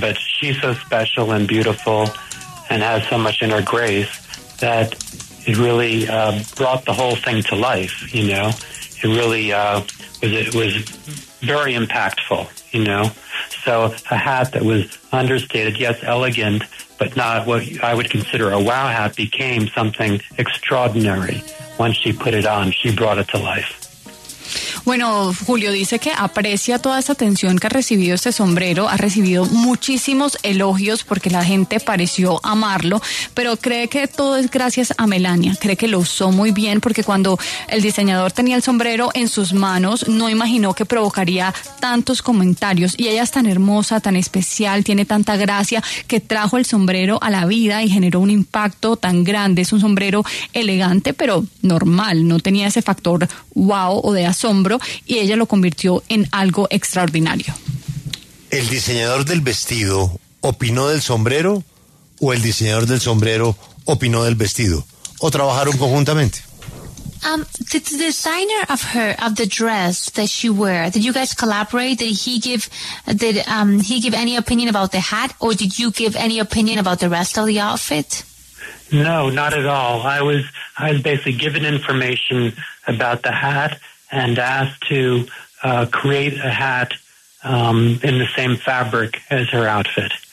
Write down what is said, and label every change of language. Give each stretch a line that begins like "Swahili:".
English: But she's so special and beautiful and has so much inner grace that it really brought the whole thing to life, you know. It really was very impactful, you know. So a hat that was understated, yes, elegant, but not what I would consider a wow hat, became something extraordinary. Once she put it on, she brought it to life.
Spanish: Bueno, Julio dice que aprecia toda esa atención que ha recibido este sombrero, ha recibido muchísimos elogios porque la gente pareció amarlo, pero cree que todo es gracias a Melania, cree que lo usó muy bien porque cuando el diseñador tenía el sombrero en sus manos, no imaginó que provocaría tantos comentarios, y ella es tan hermosa, tan especial, tiene tanta gracia, que trajo el sombrero a la vida y generó un impacto tan grande. Es un sombrero elegante, pero normal, no tenía ese factor wow o de asombro, y ella lo convirtió en algo extraordinario. ¿El diseñador del vestido opinó del sombrero o el diseñador del sombrero opinó del vestido? ¿O trabajaron conjuntamente?
English: Did the designer of her, of the dress that she wore, did you guys collaborate? Did he give any opinion about the hat, or did you give any opinion about the rest of the outfit? No, not at all. I was basically given information about the hat and asked to create a hat in the same fabric as her outfit.